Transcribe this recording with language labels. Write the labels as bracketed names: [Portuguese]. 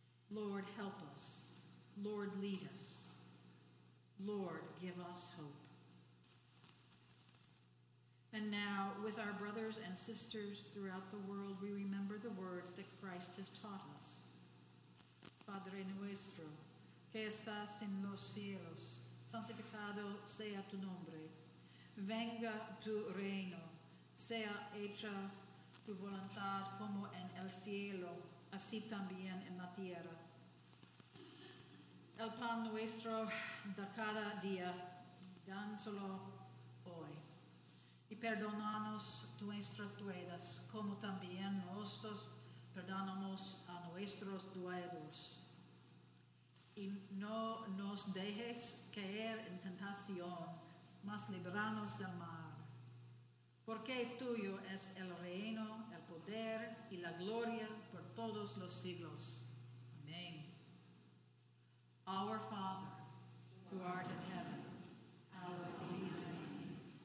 [English] Lord, help us. Lord, lead us. Lord, give us hope. And now, with our brothers and sisters throughout the world, we remember the words that Christ has taught us. [Spanish] Padre nuestro, que estás en los cielos, santificado sea tu nombre. Venga tu reino, sea hecha tu voluntad como en el cielo, así también en la tierra. El pan nuestro de cada día, dánselo hoy. Y perdónanos nuestras deudas, como también nosotros perdonamos a nuestros deudores. Y no nos dejes caer en tentación, mas líbranos del mal. Porque tuyo es el reino, el poder y la gloria por todos los siglos. Amén. [English] Our Father, who art in heaven, hallowed be thy name.